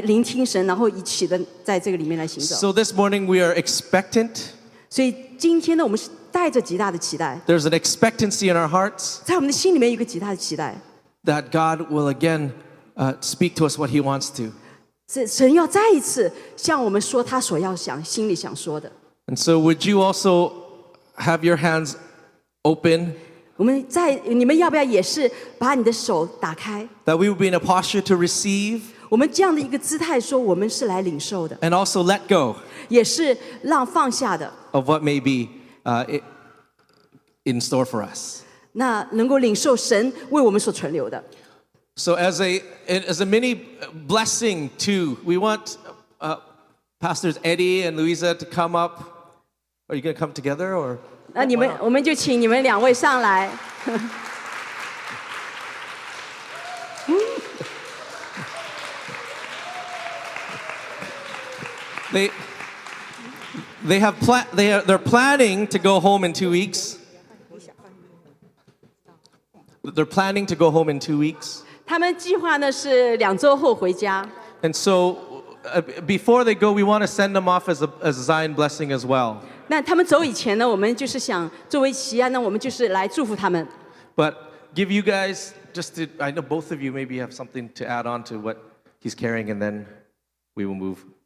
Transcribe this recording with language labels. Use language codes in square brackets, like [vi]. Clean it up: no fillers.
[zh] 所以呢，就是我们在共同的这个在圣灵里面行走，就是我们好像一起的来聆听神，然后一起的在这个里面来行走。 [en] So this morning we are expectant. [zh] 所以今天呢，我们是带着极大的期待。 [en] There's an expectancy in our hearts. [zh] 在我们的心里面有个极大的期待。 [en] That God will again speak to us what He wants to. [zh] 神要再一次向我们说他所要想心里想说的。 [en] And so would you also have your hands open? [zh] 我们在你们要不要也是把你的手打开？ [en] That we would be in a posture to receive. [zh] 我们这样的一个姿态说我们是来领受的。 [en] And also let go. [zh] 也是让放下的。 [en] Of what may be in store for us. [zh] 那能够领受神为我们所存留的。 [en] So as a mini blessing too, we want Pastors Eddie and Louisa to come up. Are you going to come together or? [zh] 那你们, 我们就请你们两位上来。 [en] They're planning to go home in 2 weeks. They're planning to go home in 2 weeks. [zh] 他们计划呢是两周后回家。 [en] And so, before they go, we want to send them off as a Zion blessing as well. [zh] 那他们走以前呢，我们就是想作为旗啊，那我们就是来祝福他们。 [en] But give you guys just to, I know both of you maybe have something to add on to what he's carrying, and then we will move.